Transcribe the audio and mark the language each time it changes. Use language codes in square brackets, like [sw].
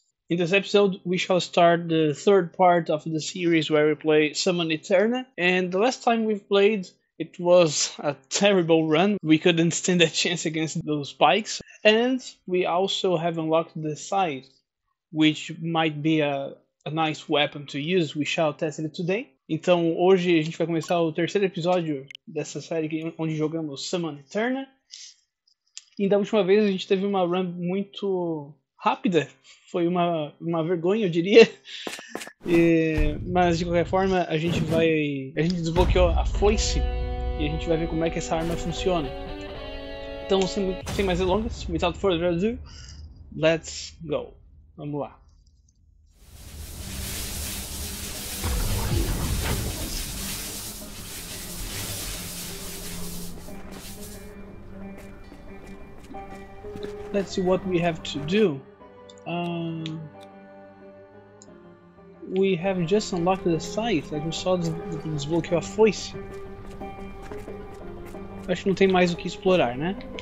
[en] In this episode, we shall start the third part of the series where we play Summum Aeterna. And the last time we've played, it was a terrible run. We couldn't stand a chance against those spikes. And we also have unlocked the Scythe, which might be a nice weapon to use. We shall test it today. [pt] Então hoje a gente vai começar o terceiro episódio dessa série onde jogamos Summum Aeterna. E da última vez a gente teve uma run muito rápida, foi uma vergonha, eu diria. Mas de qualquer forma a gente desbloqueou a foice e a gente vai ver como é que essa arma funciona. Então sem mais delongas, [en] without further ado, let's go. [pt] Vamos lá. [en] Let's see what we have to do. We have just unlocked the Scythe, like we saw the [pt] desbloqueou a foice. Acho que não tem mais o que explorar, né?